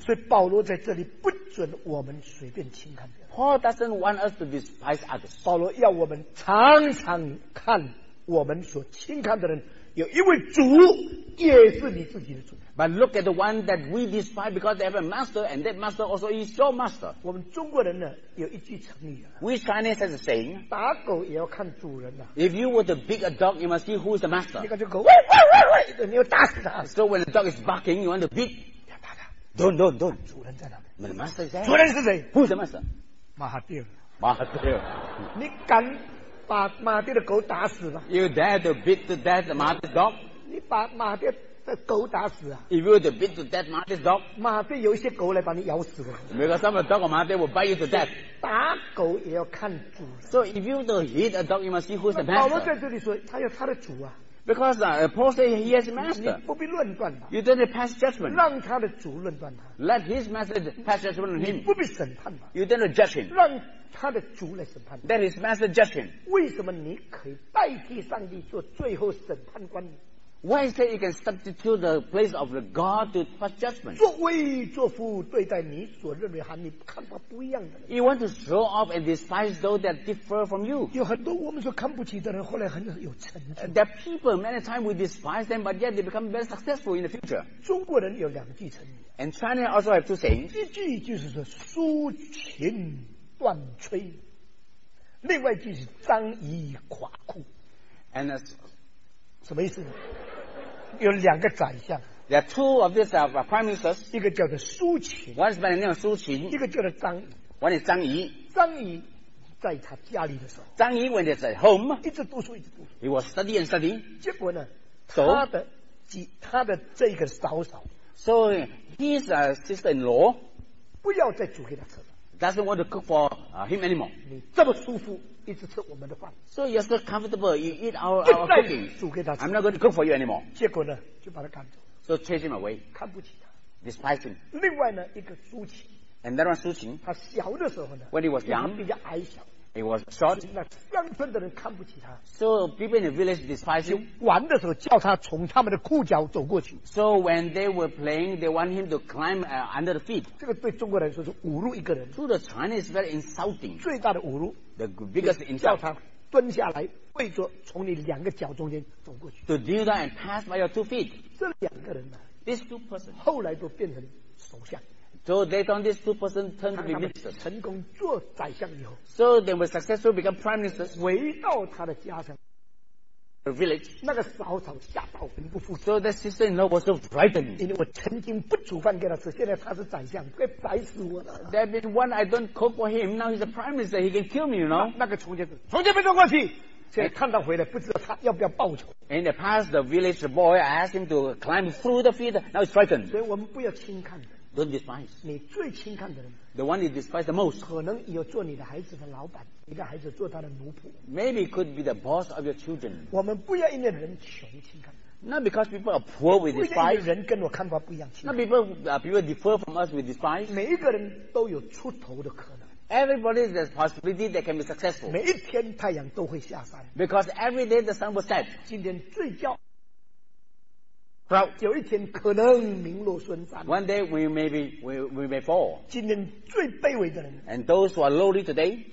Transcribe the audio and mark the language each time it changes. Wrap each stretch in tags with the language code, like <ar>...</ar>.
<zh>所以保罗在这里不准我们随便轻看别人。</zh> <en>Paul doesn't want us to despise others.</en> <zh>保罗要我们常常看我们所轻看的人。有一位主也是你自己的主</zh> <en>But look at the one that we despise because they have a master and that master also is your master</en> <zh>我们中国人呢有一句成语、啊、</zh> <en>We Chinese has a saying</en> <zh>打狗也要看主人、啊、</zh> <en>If you were to beat a dog you must see who is the master</en> <zh>你看这狗喂喂喂喂你要打死他</zh> <en>So when the dog is barking you want to beat</en> <zh>要打他</zh> <en>Don't</en> <zh>主人在哪</zh> <en>But the master is there</en> <zh>主人是谁</zh> <en>Who is the master</en> <zh>马哈蒂尔马哈蒂尔你敢把马爹的狗打死了</zh> <en>You dare to beat to death the master's dog?</en> <zh>你把马爹的狗打死啊</zh> <en>If you were to beat to death the master's dog?</en> <zh>马爹有一些狗来把你咬死了</zh> <en>Because some of the dog or master will bite you to death</en> <zh>打狗也要看主人</zh> <en>So if you were to hit a dog you must see who's the master</en> <zh>保罗在这里说他有他的主啊</zh> <en>Because Paul said he has a master</en> <zh>你不必论断他</zh> <en>You don't pass judgment</en> <zh>让他的主论断他</zh> <en>Let his master pass judgment on him</en> <zh>你不必审判他</zh> <en>You don't judge him</en> <zh>让他的主来审判。</zh> <en>That is master judgment.</en> <zh>为什么你可以代替上帝做最后审判官</zh> <en>Why is it you can substitute the place of the God to pass judgment?</en> <zh>作威作福对待你所认为和你看法不一样的。</zh> <en>You want to throw off and despise those that differ from you.</en> <zh>有很多我们所看不起的人后来很有成就。</zh> <en>There are people, many times we despise them, but yet they become very successful in the future.</en> <zh>中国人有两句成语。</zh> <en>And China also have two sayings.</en> <zh>一句就是说抒情断吹，另外一句是张仪垮裤。</zh> <en>And a</en> <zh>什么意思？有两个宰相。</zh> <en>There are two of these prime ministers.</en> <zh>一个叫做苏秦。</zh> <en>One is by the name of 苏秦。</en> <zh>一个叫做张仪。</zh> <en>One is 张仪。</en> <zh>张仪在他家里的时候。</zh> <en>张仪 when he's at home.</en> <zh>一直读书，一直读书。</zh> <en>He was studying and studying.</en> <zh>结果呢？So, 他的这个嫂嫂。</zh> <en>So his sister-in-law.</en> <zh>不要再煮给他吃了。</zh> <en>Doesn't want to cook for him anymore.</en> <zh>你这么舒服。一直吃我们的饭</zh> <en>so you're so comfortable you eat our cooking</en> <zh>煮给他吃</zh> <en>I'm not going to cook for you anymore</en> <zh>结果呢就把他赶走</zh> <en>so chase him away</en> <zh>看不起他</zh> <en>despise him</en> <zh>另外呢一个苏秦</zh> <en>and that one 苏秦</en> <zh>他小的时候呢</zh> <en>when he was young</en> <zh>比较矮小</zh> <en>he was short</en> <zh>那乡村的人看不起他</zh> <en>so people in the village despise him</en> <zh>玩的时候叫他从他们的裤脚走过去</zh> <en>so when they were playing they want him to climb under the feet</en> <zh>这个对中国人说是侮辱一个人</zh> <en>to the Chinese very insulting</en> <zh>最大的侮辱</zh> <en>The biggest insult.</en> <zh>叫他蹲下来，跪着从你两个脚中间走过去。</zh> <en>To kneel down and pass by your two feet.</en> <zh>这两个人呢</zh> <en>？These two persons.</en> <zh>后来都变成首相。</zh> <en>So they turned these two persons turned to be ministers.</en> <zh>成功做宰相以后。</zh> <en>So they were successful become prime ministers.</en> <zh>回到他的家乡</zh> <en>，the village.</en> <zh>那个嫂嫂吓到魂不附。</zh> <en>So that sister-in-law was so frightened.</en> <zh>因为我曾经不煮饭给他吃，现在他是宰相，该宰死我了。</zh> <en>That means one I don't cook for him. Now he's a prime minister. He can kill me, you know.</en> <zh>那个从前，从前没做过事。现在看到回来，不知道他要不要报仇。</zh> <en>In the past, the village boy asked him to climb through the feet. Now he's frightened.</en> <zh>所以我们不要轻看的。</zh> <en>Don't despise.</en> <zh>你最轻看的人。</zh> <en>The one you despise the most.</en> <zh>可能有做你的孩子的老板，你的孩子做他的奴仆。</zh> <en>Maybe could be the boss of your children.</en> <zh>我们不要因为人穷轻看。</zh> <en>Not because people are poor with despise.</en> <zh>人跟我看法不一样。</zh> <en>Not people differ from us with despise.</en> <zh>每一个人都有出头的可能。</zh> <en>Everybody has possibility they can be successful.</en> <zh>每一天太阳都会下山。</zh> <en>Because every day the sun will set.</en> <zh>今天最骄傲。</zh> <en>Proud.</en> <zh>有一天可能名落孙山。</zh> <en>One day we may fall.</en> <zh>今天最卑微的人。</zh> <en>And those who are lowly today.</en>